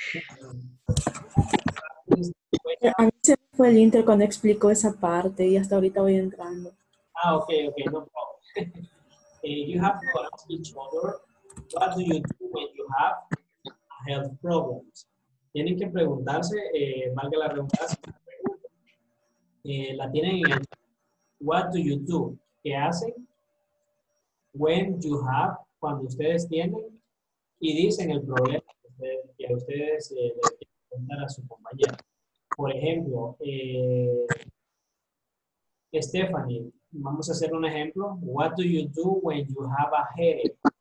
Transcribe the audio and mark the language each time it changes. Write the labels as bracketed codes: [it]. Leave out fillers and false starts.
[es] A mí se fue el inter cuando explicó esa parte y hasta ahorita voy entrando. [en] Ah, okay, okay, no problem. You have to ask each other, what do you do when you have health problems? [es] Tienen que preguntarse, valga la redundancia. La tienen en el, [en] what do you do? [es] ¿Qué hacen? [en] When you have, [es] cuando ustedes tienen, y dicen el problema que a ustedes les quieren preguntar a su compañera. Por ejemplo, Stephanie, vamos a hacer un ejemplo. [en] What do you do when you have a headache?